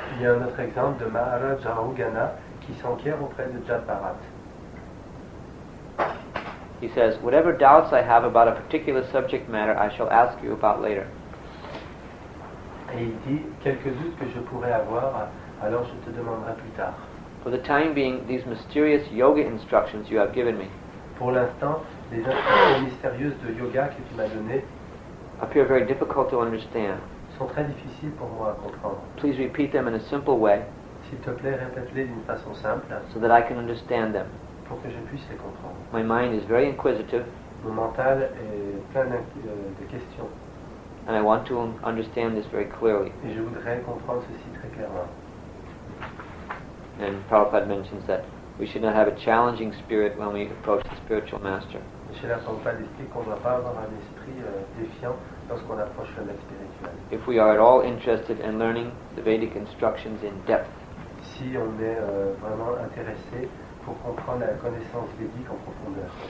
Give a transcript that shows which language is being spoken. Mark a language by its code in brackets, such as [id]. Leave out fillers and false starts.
[fr] Il y a un autre exemple de Maharaj Rahugana qui s'enquiert auprès de Jadbharat. [en] He says, whatever doubts I have about a particular subject matter, I shall ask you about later. [fr] Et il dit, quelques doutes que je pourrais avoir, alors je te demanderai plus tard. [en] For the time being, these mysterious yoga instructions you have given me, [fr] pour l'instant, les instructions mystérieuses de yoga que tu m'as données, [en] appear very difficult to understand. [fr] Sont très difficiles pour moi à comprendre. [en] Please repeat them in a simple way, [fr] s'il te plaît, répète-les d'une façon simple, [en] so that I can understand them. [fr] Pour que je puisse les comprendre. [en] My mind is very inquisitive. [fr] Mon mental est plein de questions. [en] And I want to understand this very clearly. [fr] Et je voudrais comprendre ceci très clairement. [en] And Prabhupada mentions that we should not have a challenging spirit when we approach the spiritual master. [fr] Et Srila Prabhupada explique qu'on ne doit pas avoir un esprit défiant lorsqu'on approche le maître spirituel. [en] If we are at all interested in learning the Vedic instructions in depth. [fr] Si on est vraiment intéressé pour comprendre la connaissance védique en profondeur.